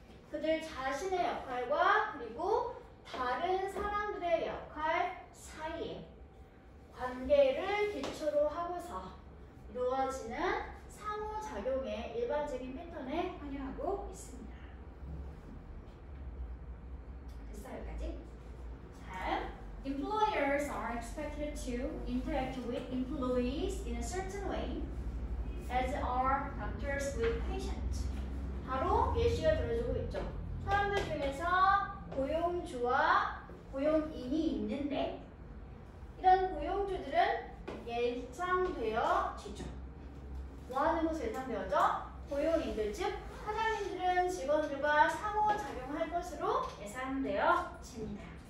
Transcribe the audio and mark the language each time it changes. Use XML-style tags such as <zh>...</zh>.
<ko>그들 자신의 역할과 그리고 다른 사람들의 역할 사이에 관계를 기초로 하고서 이루어지는 상호작용의 일반적인 패턴에 관여하고 있습니다. 됐어요, 여기까지? 다음</ko> <en>Employers are expected to interact with employees in a certain way as are doctors with patients.</en> <ko>바로 예시가 들어주고 있죠. 사람들 중에서 고용주와 고용인이 있는데 이런 고용주들은 예상되어 지죠. 뭐 하는 것이 예상되어져? 고용인들, 즉 사장님들은 직원들과 상호작용할 것으로 예상되어 집니다.</ko>